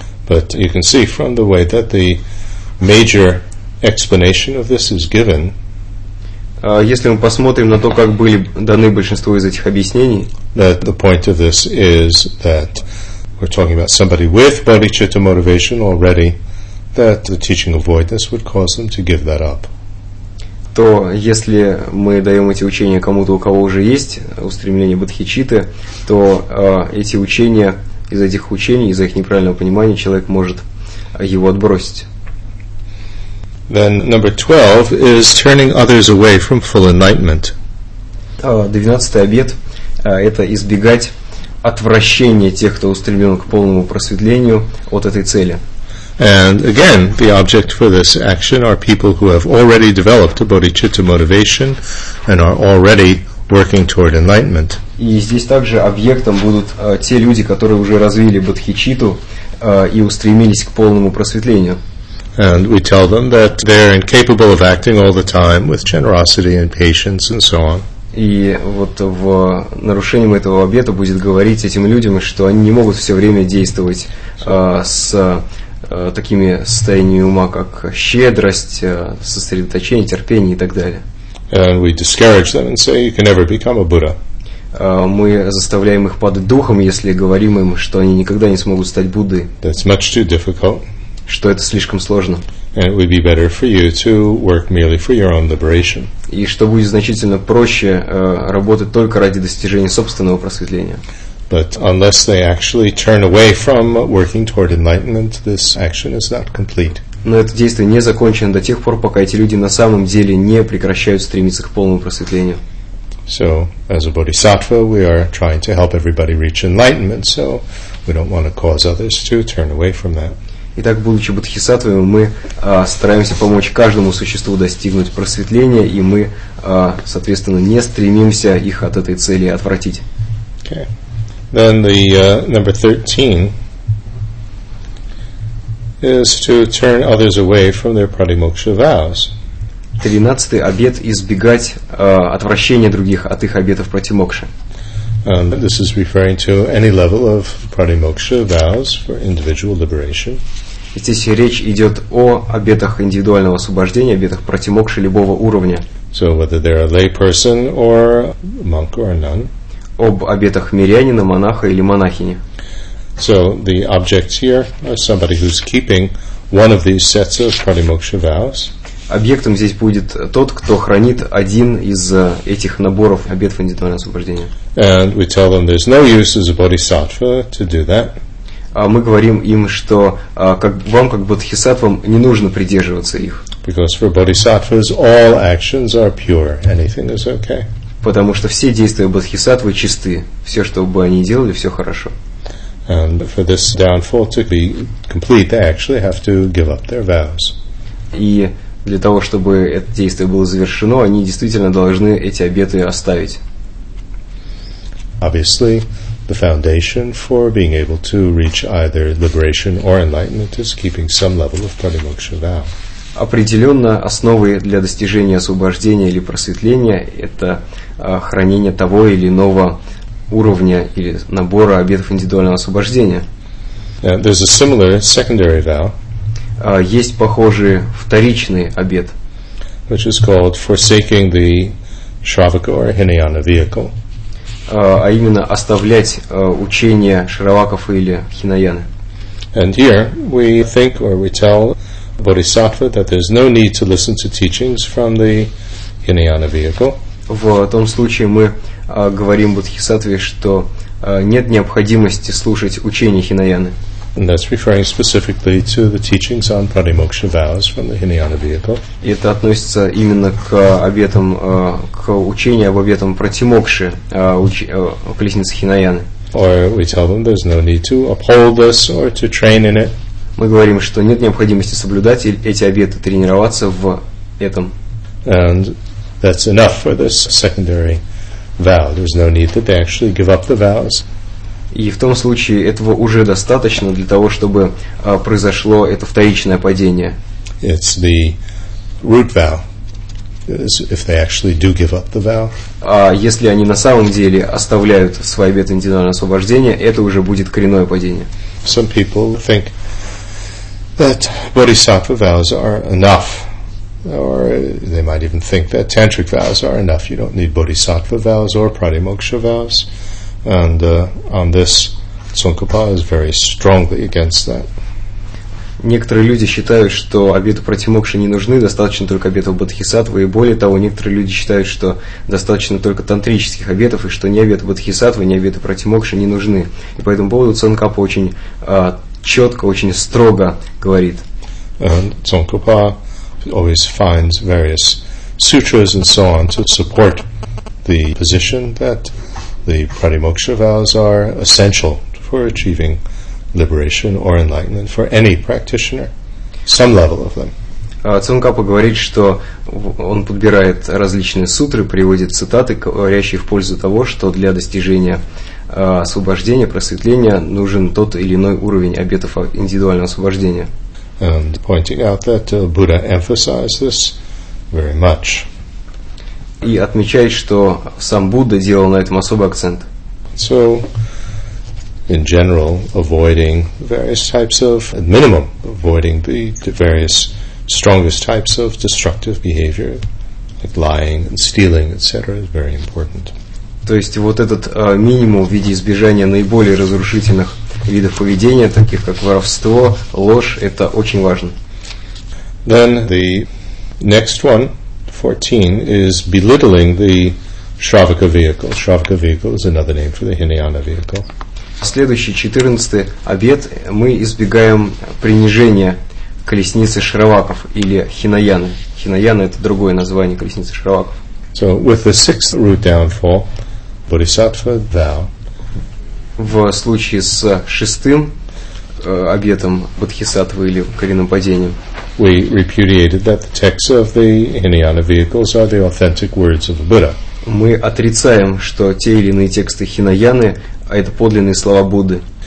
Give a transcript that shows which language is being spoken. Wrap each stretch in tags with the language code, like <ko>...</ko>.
<en>But you can see from the way that the major explanation of this is given.</en> <ru>Если мы посмотрим на то, как были даны большинство из этих объяснений.</ru> <en>That the point of this is that we're talking about somebody with bodhicitta motivation already, that the teaching of voidness would cause them to give that up.</en> <ru>То если мы даем эти учения кому-то, у кого уже есть устремление бодхичитты, то эти учения, из этих учений, из-за их неправильного понимания, человек может его отбросить.</ru> <en>Then number 12 is turning others away from full enlightenment.</en> <ru>12-й обет – это избегать отвращения тех, кто устремлен к полному просветлению от этой цели.</ru> <en>And again, the object for this action are people who have already developed a bodhicitta motivation and are already working toward enlightenment.</en> <ru>И здесь также объектом будут те люди, которые уже развили бодхичитту и устремились к полному просветлению.</ru> <en>And we tell them that they are incapable of acting all the time with generosity and patience and so on.</en> <ru>И вот в нарушении этого обета будет говорить этим людям, что они не могут все время действовать с такими состояниями ума, как щедрость, сосредоточение, терпение и так далее.</ru> <en>And we discourage them and say, you can never become a Buddha.</en> <ru>Мы заставляем их падать духом, если говорим им, что они никогда не смогут стать Буддой.</ru> <en>That's much too difficult.</en> <ru>Что это слишком сложно.</ru> <en>And it would be better for you to work merely for your own liberation.</en> <ru>И что будет значительно проще работать только ради достижения собственного просветления.</ru> <en>But unless they actually turn away from working toward enlightenment, this action is not complete.</en> <ru>Но это действие не закончено до тех пор, пока эти люди на самом деле не прекращают стремиться к полному просветлению.</ru> <en>So, as a bodhisattva, we are trying to help everybody reach enlightenment, so we don't want to cause others to turn away from that.</en> <ru>Итак, будучи бодхисаттвами, мы стараемся помочь каждому существу достигнуть просветления, и мы, соответственно, не стремимся их от этой цели отвратить.</ru> <en>Okay. Then the number 13 is to turn others away from their pratimoksha vows.</en> <ru>13-й обет – избегать отвращения других от их обетов пратимокши.</ru> <en>And this is referring to any level of pratimoksha vows for individual liberation.</en> <ru>Здесь речь идет о обетах индивидуального освобождения, обетах пратимокши любого уровня.</ru> <en>So whether they're a lay person or monk or nun.</en> <ru>Об обетах мирянина, монаха или монахини.</ru> <en>So the objects here are somebody who's keeping one of these sets of pratimoksha vows.</en> <ru>Объектом здесь будет тот, кто хранит один из этих наборов обетов индивидуального освобождения.</ru> <en>And we tell them there's no use as a bodhisattva to do that.</en> <ru>Мы говорим им, что как, вам, как бодхисаттвам, не нужно придерживаться их.</ru> <en>Because for bodhisattvas all actions are pure. Anything is okay.</en> <ru>Потому что все действия бодхисаттвы чисты. Все, что бы они делали, все хорошо.</ru> <en>And for this downfall to be complete, they actually have to give up their vows.</en> <ru>И для того, чтобы это действие было завершено, они действительно должны эти обеты оставить.</ru> <en>Obviously, the foundation for being able to reach either liberation or enlightenment is keeping some level of pratimoksha vow.</en> <ru>Определенно, основой для достижения освобождения или просветления – это хранение того или иного уровня или набора обетов индивидуального освобождения.</ru> <en>There's a similar secondary vow.</en> <ru>Есть похожий вторичный обет.</ru> <en>Which is called forsaking the Shravaka or Hinayana vehicle.</en> <ru>А именно оставлять учения Шраваков или Хинаяны.</ru> <en>And here we think or we tell Bodhisattva that there's no need to listen to teachings from the Hinayana vehicle.</en> <ru>В том случае мы говорим Бодхисаттве, что нет необходимости слушать учения Хинаяны.</ru> <en>And that's referring specifically to the teachings on pratimoksha vows from the Hinayana vehicle.</en> <ru>И это относится именно к обетам, к учению об обетам пратимокши, колесницы Хинаяны.</ru> <en>Or we tell them there's no need to uphold this or to train in it.</en> <ru>Мы говорим, что нет необходимости соблюдать эти обеты, тренироваться в этом.</ru> <en>And that's enough for this secondary vow. There's no need that they actually give up the vows.</en> <ru>И в том случае этого уже достаточно для того, чтобы произошло это вторичное падение.</ru> <en>It's the root vow. If they actually do give up the vow.</en> <ru>А если они на самом деле оставляют свои обеты индивидуального освобождения, это уже будет коренное падение.</ru> <en>Some people think that bodhisattva vows are enough. Or they might even think that tantric vows are enough. You don't need bodhisattva vows or pratimoksha vows. And on this, Tsongkhapa is very strongly against that.</en> <ru>Некоторые люди считают, что обеты пратимокши не нужны, достаточно только обетов бодхисаттвы. И более того, некоторые люди считают, что достаточно только тантрических обетов, и что ни обеты бодхисаттвы, ни обеты пратимокши не нужны. И по этому поводу Цонгкапа очень четко, очень строго говорит.</ru> <en>Tsongkhapa always finds various sutras and so on to support the position that the pratimoksha vows are essential for achieving liberation or enlightenment for any practitioner, some level of them.</en> <ru>Цонгкапа говорит, что он подбирает различные сутры, приводит цитаты, говорящие в пользу того, что для достижения освобождения, просветления нужен тот или иной уровень обетов индивидуального освобождения.</ru> <en>And pointing out that Buddha emphasized this very much.</en> <ru>И отмечает, что сам Будда делал на этом особый акцент.</ru> <en>So, in general, avoiding various types of, at minimum, avoiding the various strongest types of destructive behavior, like lying and stealing, etc., is very important.</en> <ru>То есть вот этот минимум в виде избежания наиболее разрушительных видов поведения, таких как воровство, ложь, это очень важно.</ru> <en>Then the next one. 14 is belittling the Shravaka vehicle. Shravaka vehicle is another name for the Hinayana vehicle.</en> <ru>Следующий 14-й обет мы избегаем принижения колесницы Шраваков или Хинаяны. Хинаяна это другое название колесницы Шраваков.</ru> <en>So with the sixth root downfall, Bodhisattva vow.</en> <ru>В случае с шестым обетом бодхисаттвы или коренным падением.</ru> <en>We repudiated that the texts of the Hinayana vehicles are the authentic words of the Buddha.</en> <ru>Мы отрицаем, что те или иные тексты Хинаяны – это подлинные слова Будды.</ru>